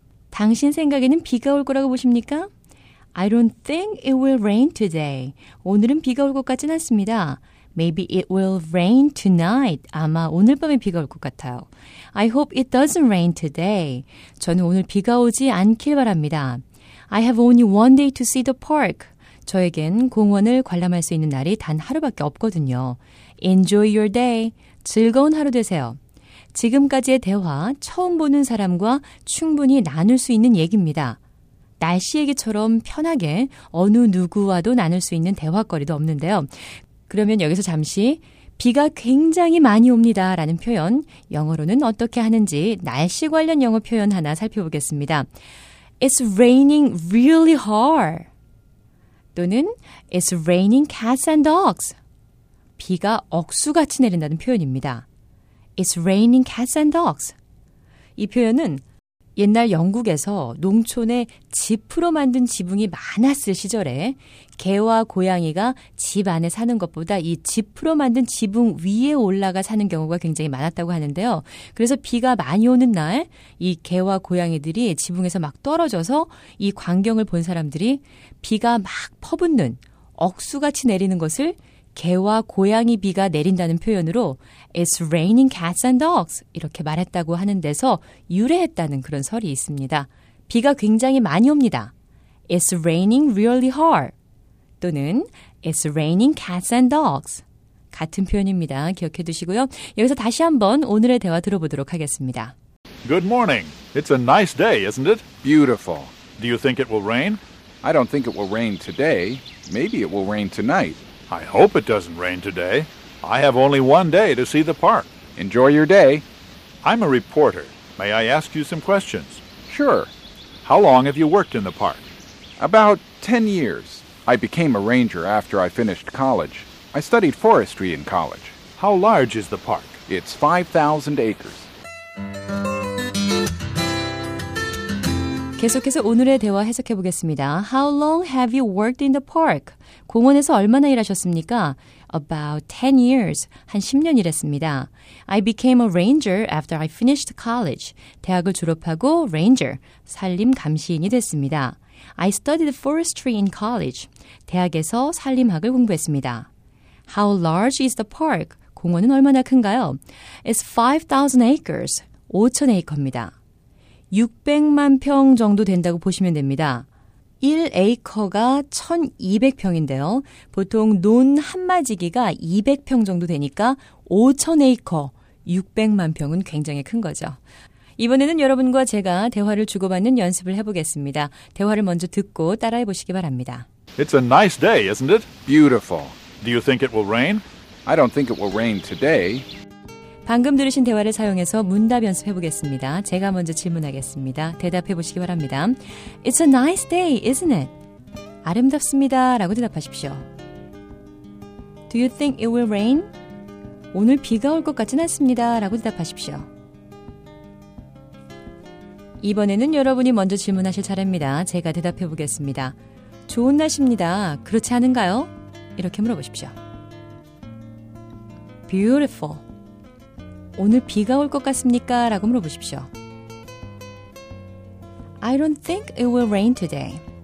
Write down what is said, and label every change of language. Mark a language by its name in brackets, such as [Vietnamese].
[Korean] 당신 생각에는 비가 올 거라고 보십니까? [English] I don't think it will rain today. [Korean] 오늘은 비가 올 것 같진 않습니다. [English] Maybe it will rain tonight. [Korean] 아마 오늘 밤에 비가 올 것 같아요. [English] I hope it doesn't rain today. [Korean] 저는 오늘 비가 오지 않길 바랍니다. [English] I have only one day to see the park. [Korean] 저에겐 공원을 관람할 수 있는 날이 단 하루밖에 없거든요. [English] Enjoy your day. [Korean] 즐거운 하루 되세요. 지금까지의 대화, 처음 보는 사람과 충분히 나눌 수 있는 얘기입니다. 날씨 얘기처럼 편하게 어느 누구와도 나눌 수 있는 대화거리도 없는데요. 그러면 여기서 잠시 비가 굉장히 많이 옵니다 라는 표현, 영어로는 어떻게 하는지 날씨 관련 영어 표현 하나 살펴보겠습니다. [English] It's raining really hard. 또는 It's raining cats and dogs. [Korean] 비가 억수같이 내린다는 표현입니다. [English] It's raining cats and dogs. [Korean] 이 표현은 옛날 영국에서 농촌에 지푸로 만든 지붕이 많았을 시절에 개와 고양이가 집 안에 사는 것보다 이 지푸로 만든 지붕 위에 올라가 사는 경우가 굉장히 많았다고 하는데요. 그래서 비가 많이 오는 날 이 개와 고양이들이 지붕에서 막 떨어져서 이 광경을 본 사람들이 비가 막 퍼붓는 억수같이 내리는 것을 개와 고양이 비가 내린다는 표현으로 [English] It's raining cats and dogs [Korean] 이렇게 말했다고 하는 데서 유래했다는 그런 설이 있습니다. 비가 굉장히 많이 옵니다. [English] It's raining really hard 또는 It's raining cats and dogs [Korean] 같은 표현입니다. 기억해 두시고요. 여기서 다시 한번 오늘의 대화 들어보도록 하겠습니다. [English] Good morning. It's a nice day, isn't it? Beautiful. Do you think it will rain? I don't think it will rain today. Maybe it will rain tonight. I hope it doesn't rain today. I have only one day to see the park. Enjoy your day. I'm a reporter. May I ask you some questions? Sure. How long have you worked in the park? About 10 years. I became a ranger after I finished college. I studied forestry in college. How large is the park? It's 5,000 acres. [Korean] 계속해서 오늘의 대화 해석해 보겠습니다. [English] How long have you worked in the park? [Korean] 공원에서 얼마나 일하셨습니까? [English] About 10 years. [Korean] 한 10년 일했습니다. [English] I became a ranger after I finished college. [Korean] 대학을 졸업하고 ranger, 산림 감시인이 됐습니다. [English] I studied forestry in college. [Korean] 대학에서 산림학을 공부했습니다. [English] How large is the park? [Korean] 공원은 얼마나 큰가요? [English] It's 5,000 acres. [Korean] 5,000 acre입니다. 600만 평 정도 된다고 보시면 됩니다. 1에이커가 1200평인데요. 보통 논 한마지기가 200평 정도 되니까 5000에이커, 600만 평은 굉장히 큰 거죠. 이번에는 여러분과 제가 대화를 주고받는 연습을 해보겠습니다. 대화를 먼저 듣고 따라해 보시기 바랍니다. [English] It's a nice day, isn't it? Beautiful. Do you think it will rain? I don't think it will rain today. [Korean] 방금 들으신 대화를 사용해서 문답 연습해 보겠습니다. 제가 먼저 질문하겠습니다. 대답해 보시기 바랍니다. [English] It's a nice day, isn't it? [Korean] 아름답습니다. 라고 대답하십시오. [English] Do you think it will rain? [Korean] 오늘 비가 올 것 같진 않습니다. 라고 대답하십시오. 이번에는 여러분이 먼저 질문하실 차례입니다. 제가 대답해 보겠습니다. 좋은 날씨입니다. 그렇지 않은가요? 이렇게 물어보십시오. [English] Beautiful. [Korean] 오늘 비가 올 것 같습니까? 라고 물어보십시오. [English] I don't think it will rain today.